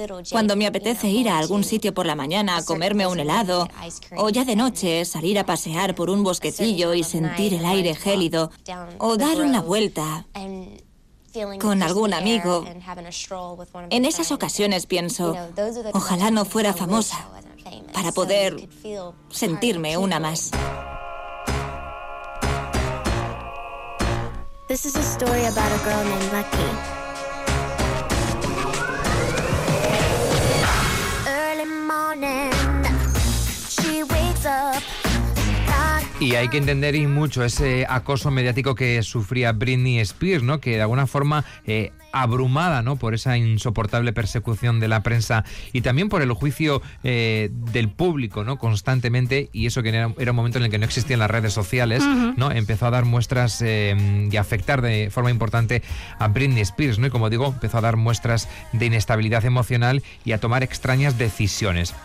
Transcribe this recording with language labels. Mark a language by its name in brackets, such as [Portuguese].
[Spanish] Cuando me apetece ir a algún sitio por la mañana a comerme un helado, o ya de noche salir a pasear por un bosquecillo y sentir el aire gélido, o dar una vuelta con algún amigo, en esas ocasiones pienso: ojalá no fuera famosa, para poder sentirme una más. [English] This is a story about a girl named Lucky. Early morning, she wakes up. [Spanish] Y hay que entender y mucho ese acoso mediático que sufría Britney Spears, ¿no?, que de alguna forma abrumada, ¿no?, por esa insoportable persecución de la prensa y también por el juicio del público, ¿no?, constantemente, y eso que era un momento en el que no existían las redes sociales, ¿no?, empezó a dar muestras y afectar de forma importante a Britney Spears, ¿no?, y como digo, empezó a dar muestras de inestabilidad emocional y a tomar extrañas decisiones.